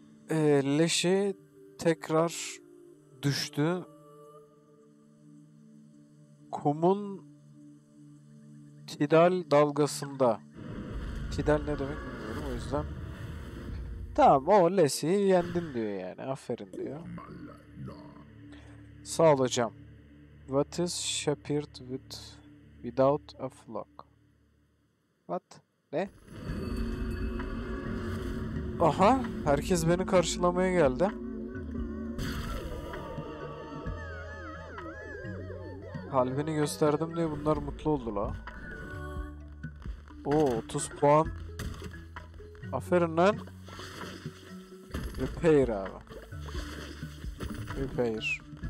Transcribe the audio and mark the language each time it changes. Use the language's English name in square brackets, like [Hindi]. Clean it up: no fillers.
[Turkish] Leşi tekrar düştü. Kumun Tidal dalgasında. Tidal ne demek bilmiyorum, o yüzden. Tamam, o Leşi'yi yendin diyor yani. Aferin diyor. Sağ ol hocam. [English] What is Shepherd without a flock? What? [Turkish] Ne? Aha, herkes beni karşılamaya geldi. Kalbini gösterdim diye bunlar mutlu oldu la. Oo, 30 puan. Aferin lan. Repair abi. Repair.